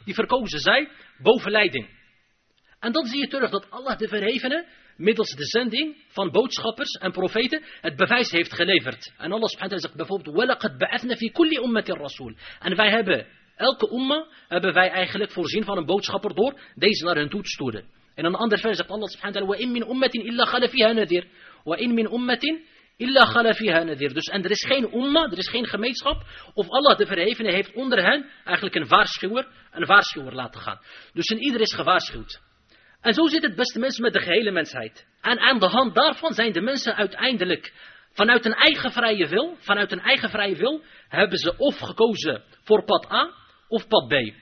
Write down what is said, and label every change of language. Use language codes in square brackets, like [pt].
[nl] Die verkozen zij boven leiding. En dan zie je terug dat Allah de Verhevene middels de zending van boodschappers en profeten het bewijs heeft geleverd. En [ar] Allah subhanahu wa ta'ala [nl] zegt bijvoorbeeld, [ar] وَلَقَدْ بَعَثْنَ فِي كُلِّ أُمَّةٍ رَسُولٍ. [nl] En wij hebben, elke umma hebben wij eigenlijk voorzien van een boodschapper door deze naar hen toe te sturen. In een ander vers zegt [ar] Allah subhanahu wa ta'ala, وَإِن مِنْ أُمَّةٍ إِلَّا خَلَ فِيهَا نَذِيرٌ وَإِن مِنْ أُمَّةٍ إِلَّا خَلَ فِيهَا نَذِيرٌ. [nl] Dus en er is geen umma, er is geen gemeenschap, of Allah de Verhevene heeft onder hen eigenlijk een waarschuwer laten gaan. Dus in ieder is gewaarschuwd. En zo zit het, beste mensen, met de gehele mensheid. En aan de hand daarvan zijn de mensen uiteindelijk, vanuit hun eigen vrije wil, hebben ze of gekozen voor pad A of pad B.